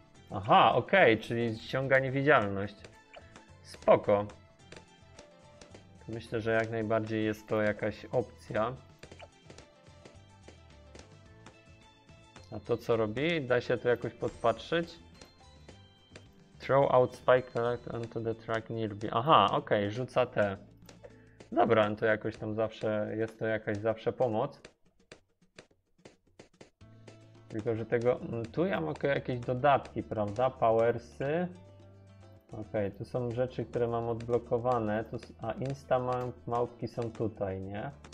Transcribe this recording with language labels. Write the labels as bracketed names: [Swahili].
[Polish] Aha, okej, czyli ściąga niewidzialność. Spoko. Myślę, że jak najbardziej jest to jakaś opcja. A to co robi? Da się to jakoś podpatrzyć? [English] Throw out spike onto the track nearby. [Polish] Aha, okej, rzuca te. Dobra, to jakoś tam zawsze, jest to jakaś zawsze pomoc. Tylko, że tego, tu ja mogę jakieś dodatki, prawda? Powersy. Okej, tu są rzeczy, które mam odblokowane, tu, a insta małpki są tutaj, nie?